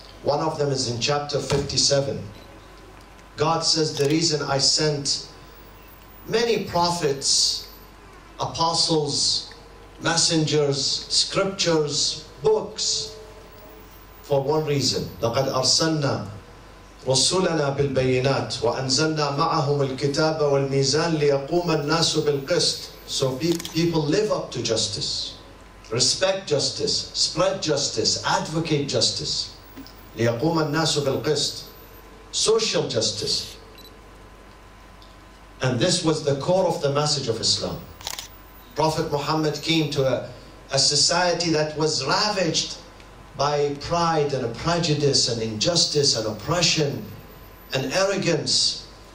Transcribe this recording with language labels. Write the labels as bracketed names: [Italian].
[English] One of them is in chapter 57. God says, the reason I sent many prophets, apostles, messengers, scriptures, books, for one reason. [Arabic] لَقَدْ أَرْسَلْنَا رُسُولَنَا بِالْبَيِّنَاتِ وَأَنْزَلْنَا مَعَهُمُ الْكِتَابَ وَالْمِيزَانِ لِيَقُومَ النَّاسُ بِالْقِسْطِ [English] So people live up to justice. Respect justice. Spread justice. Advocate justice. [Arabic] لِيَقُومَ النَّاسُ بِالْقِسْطِ [English] Social justice. And this was the core of the message of Islam. Prophet Muhammad came to a society that was ravaged by pride and prejudice and injustice and oppression and arrogance.